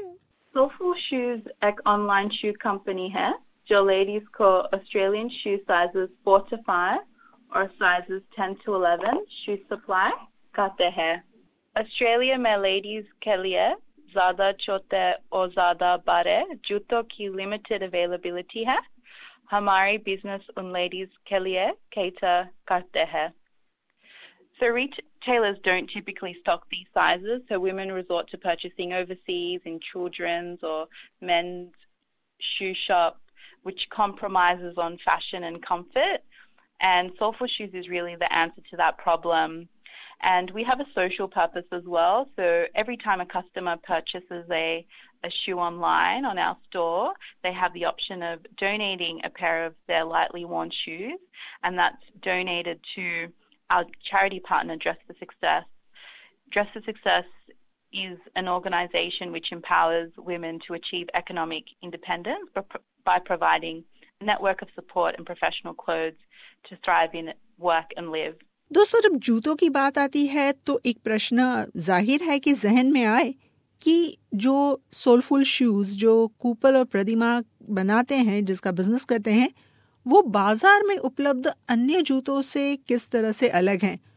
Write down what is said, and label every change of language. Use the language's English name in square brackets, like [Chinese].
[Hindi] सोफो शूज एक ऑनलाइन शू कंपनी है जो लेडीज को ऑस्ट्रेलियन शू साइजेस 4-5 और साइजेस 10-11 शू सप्लाई करते हैं। ऑस्ट्रेलिया में लेडीज के लिए ज्यादा छोटे और ज्यादा बड़े जूतों की लिमिटेड अवेलेबिलिटी है। हमारी बिजनेस उन लेडीज के लिए कैटर करते हैं। [English] So retailers don't typically stock these sizes, so women resort to purchasing overseas in children's or men's shoe shop, which compromises on fashion and comfort. And Soulful Shoes is really the answer to that problem. And we have a social purpose as well. So every time a customer purchases a shoe online on our store, they have the option of donating a pair of their lightly worn shoes, and that's donated to our charity partner, Dress for Success. Dress for Success is an organization which empowers women to achieve economic independence by providing a network of support and professional clothes to thrive in work and live. [Hindi] दोस्तों, जब जूतों की बात आती है तो एक प्रश्न जाहिर है कि जहन में आए कि जो सोलफुल शूज जो कुपल और प्रदीमा बनाते हैं, जिसका बिजनेस करते हैं, वो बाजार में उपलब्ध अन्य जूतों से किस तरह से अलग हैं?